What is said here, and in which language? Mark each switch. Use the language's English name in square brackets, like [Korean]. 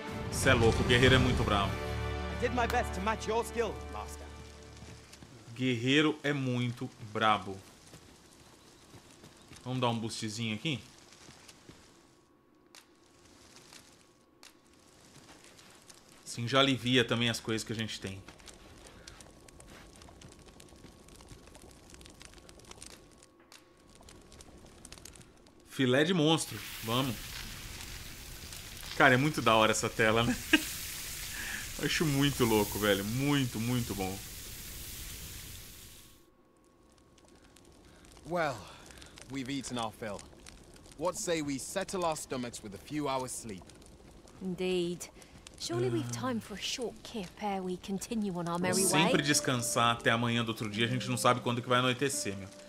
[Portuguese] Você é louco, o guerreiro é muito bravo. [English] Did my best to match your skill, master. [Portuguese] Guerreiro é muito brabo. Vamos dar um boostzinho aqui. Assim já alivia também as coisas que a gente tem. Filé de monstro, vamos. Cara, é muito da hora essa tela, né? Acho muito louco, velho. Muito, muito bom. [English] Well, we've eaten our fill. What say we settle our stomachs with a few hours sleep? Indeed. Surely we've time for a short kip ere we continue on our merry way. [Portuguese] Sempre descansar até amanhã do outro dia, a gente não sabe quando que vai anoitecer, meu.